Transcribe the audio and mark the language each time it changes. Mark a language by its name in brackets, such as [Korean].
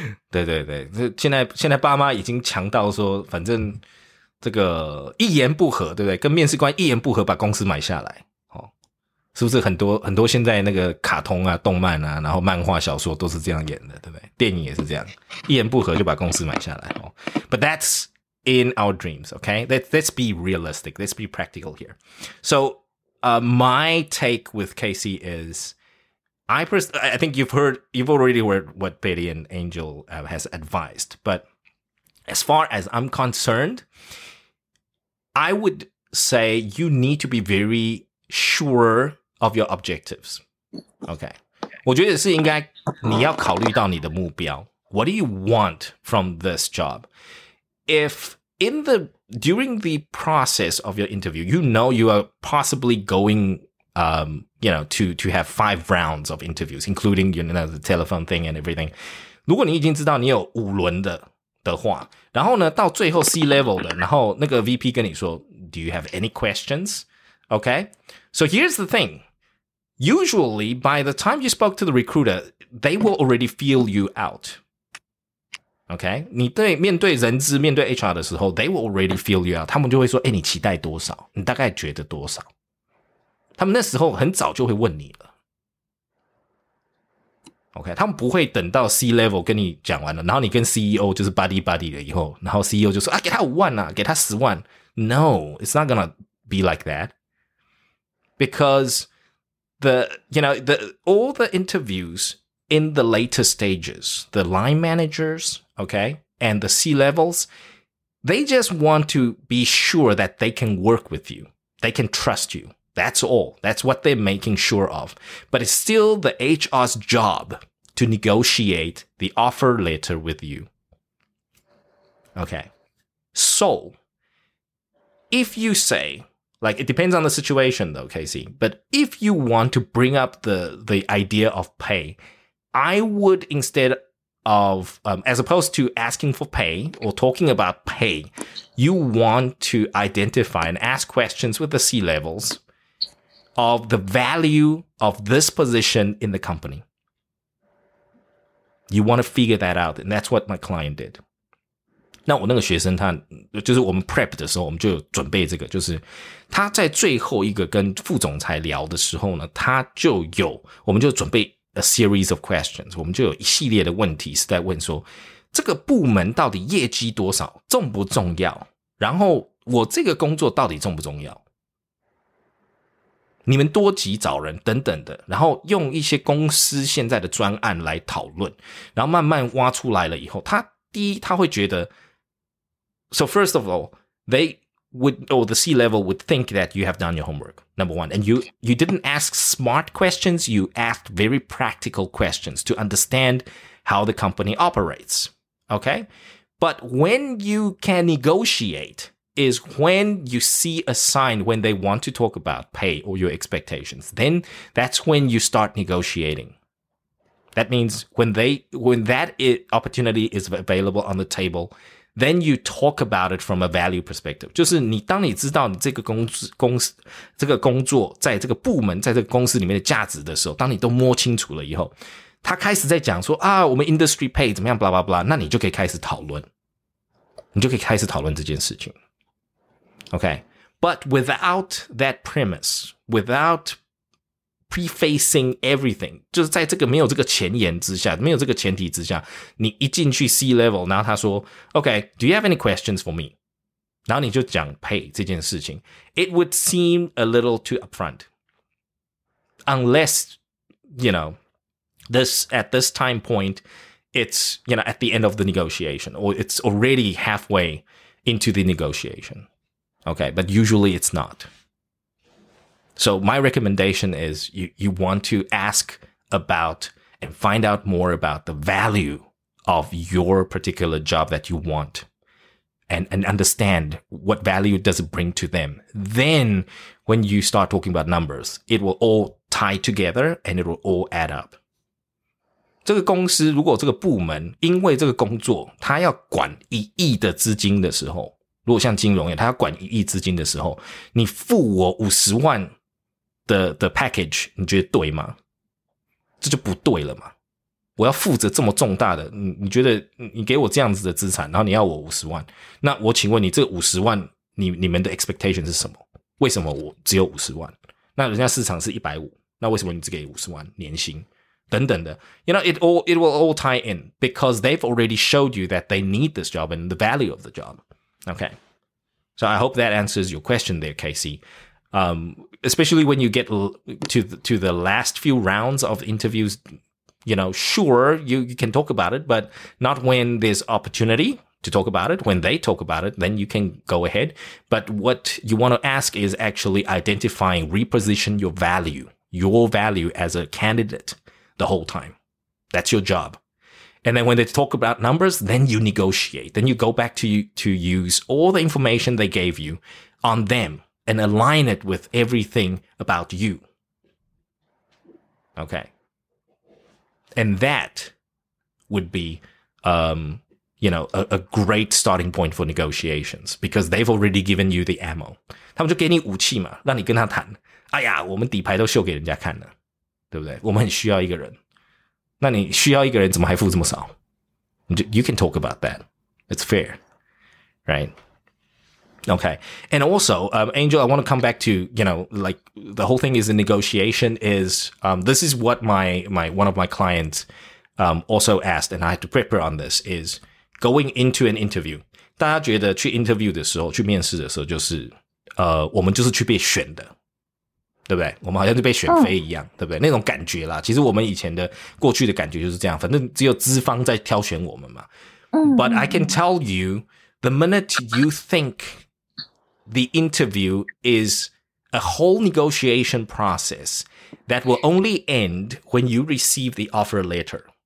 [Chinese] 对对对，现在爸妈已经强到说反正这个一言不合，对不对？跟面试官一言不合把公司买下来，是不是很多很多现在那个卡通啊动漫啊然后漫画小说都是这样演的，对不对？电影也是这样，一言不合就把公司买下来。 [English] But that's in our dreams, okay? Let's be realistic, let's be practical here. So, my take with Casey is, I think you've already heard what Betty and Angel has advised, but as far as I'm concerned, I would say you need to be very sure of your objectives. Okay. [Chinese] 我觉得是应该你要考虑到你的目标。 [English] What do you want from this job? If during the process of your interview, you know you are possibly going, you know, to have 5 rounds of interviews, including, you know, the telephone thing and everything. [Chinese] 如果你已经知道你有五轮的话，然后呢，到最后 C level 的，然后那个 VP 跟你说 [English] Do you have any questions? Okay. So here's the thing. Usually, by the time you spoke to the recruiter, they will already feel you out. Okay. [Chinese] 你对面对人资面对 HR 的时候 [English] they will already feel you out. [Chinese] 他们就会说诶你期待多少，你大概觉得多少。他们那时候很早就会问你了。 Okay. 他们不会等到 C-level 跟你讲完了，然后你跟 CEO 就是 buddy buddy 了以后，然后 CEO 就说啊给他5万啊给他10万。 [English] No, it's not gonna be like that. Because all the interviews in the later stages, the line managers, okay, and the C-levels, they just want to be sure that they can work with you. They can trust you. That's all. That's what they're making sure of. But it's still the HR's job to negotiate the offer letter with you. Okay. So, if you say... Like, it depends on the situation, though, Casey. But if you want to bring up the idea of pay, I would instead of, as opposed to asking for pay or talking about pay, you want to identify and ask questions with the C-levels of the value of this position in the company. You want to figure that out, and that's what my client did. [Chinese] 那我那个学生他就是我们 prep 的时候我们就准备这个，就是他在最后一个跟副总裁聊的时候呢，他就有我们就准备 [English] a series of questions， [Chinese] 我们就有一系列的问题是在问说这个部门到底业绩多少重不重要，然后我这个工作到底重不重要，你们多急找人等等的，然后用一些公司现在的专案来讨论，然后慢慢挖出来了以后，他第一他会觉得 [English] So first of all, the C-level would think that you have done your homework, number one. And you didn't ask smart questions, you asked very practical questions to understand how the company operates, okay? But when you can negotiate is when you see a sign when they want to talk about pay or your expectations, then that's when you start negotiating. That means when that opportunity is available on the table, then you talk about it from a value perspective. [Chinese] 就是你当你知道你这个工作在这个部门在这个公司里面的价值的时候，当你都摸清楚了以后，他开始在讲说啊，我们 industry pay 怎么样 blah blah blah， 那你就可以开始讨论，你就可以开始讨论这件事情。 [English] Okay, but without that premise, without prefacing everything, [Chinese] 就是在这个没有这个前言之下，没有这个前提之下，你一进去 [English] C-level, [Chinese] 然后他说 [English] Okay, do you have any questions for me? [Chinese] 然后你就讲 pay 这件事情， [English] It would seem a little too upfront. Unless, you know, at this time point, it's, you know, at the end of the negotiation, or it's already halfway into the negotiation. Okay, but usually it's not. So my recommendation is you want to ask about and find out more about the value of your particular job that you want and understand what value does it bring to them. Then when you start talking about numbers, it will all tie together and it will all add up. [Chinese] 这个公司如果这个部门因为这个工作他要管一亿的资金的时候，如果像金融业他要管一亿资金的时候，你付我50万 的 package， 你觉得对吗？这就不对了嘛。我要负责这么重大的，你觉得你给我这样子的资产，然后你要我50万，那我请问你这50万 你们的 expectation 是什么？为什么我只有50万？那人家市场是150，那为什么你只给50万年薪等等的。 [English] You know, it will all tie in because they've already showed you that they need this job and the value of the job. Okay, so I hope that answers your question there, Casey. Especially when you get to the last few rounds of interviews, you know, sure, you can talk about it, but not when there's opportunity to talk about it. When they talk about it, then you can go ahead. But what you want to ask is actually identifying, reposition your value as a candidate the whole time. That's your job. And then when they talk about numbers, then you negotiate. Then you go back to use all the information they gave you on them and align it with everything about you. Okay. And that would be, you know, a great starting point for negotiations because they've already given you the ammo. [Chinese] 他们就给你武器嘛，让你跟他谈。哎呀，我们底牌都秀给人家看了，对不对？我们很需要一个人。那你需要一个人怎么还付这么少？ [English] You can talk about that. It's fair. Right? Okay. And also, Angel, I want to come back to, you know, like the whole thing is a negotiation is, this is what my one of my clients also asked, and I had to prepare on this, is going into an interview. [Chinese] 大家觉得去 interview 的时候，去面试的时候就是，我们就是去被选的。对不对？我们好像是被选妃一样，对不对？那种感觉啦。其实我们以前的过去的感觉就是这样，反正只有资方在挑选我们嘛。 [English] But I can tell you, the minute you think the interview is a whole negotiation process that will only end when you receive the offer letter.